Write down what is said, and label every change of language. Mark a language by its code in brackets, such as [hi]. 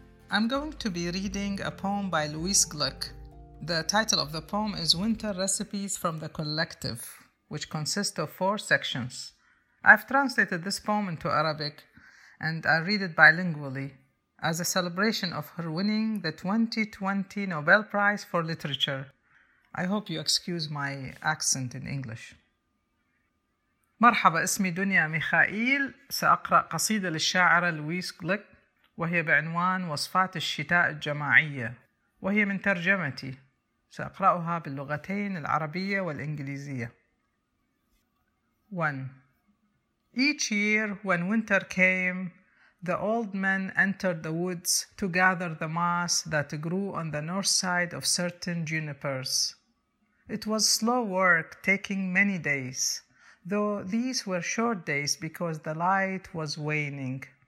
[en] I'm going to be reading a poem by Louise Glück. The title of the poem is Winter Recipes from the Collective, which consists of four sections. I've translated this poem into Arabic, and I read it bilingually as a celebration of her winning the 2020 Nobel Prize for Literature. I hope you excuse my accent in English. [ar] مرحبا اسمي دنيا ميخائيل سأقرأ قصيدة للشاعرة لويس غليك وهي بعنوان وصفات الشتاء الجماعية وهي من ترجمتي سأقرأها باللغتين العربية والإنجليزية 1. [en] Each year when winter came, the old men entered the woods to gather the moss that grew on the north side of certain junipers. It was slow work taking many days. Though these were short days because the light was waning.